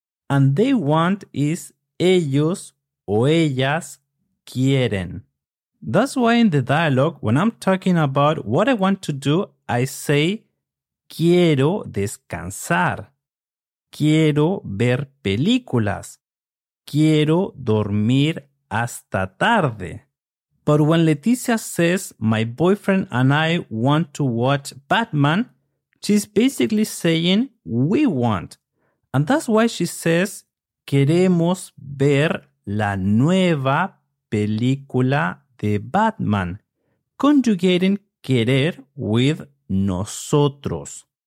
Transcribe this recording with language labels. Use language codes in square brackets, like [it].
[en] And they want is [es] ellos o ellas quieren. [en] That's why in the dialogue, when I'm talking about what I want to do, I say [es] quiero descansar. Quiero ver películas. Quiero dormir hasta tarde. [en] But when Leticia says, my boyfriend and I want to watch Batman, she's basically saying, we want. And that's why she says, [es] queremos ver la nueva película de Batman, [en] conjugating querer with nosotros.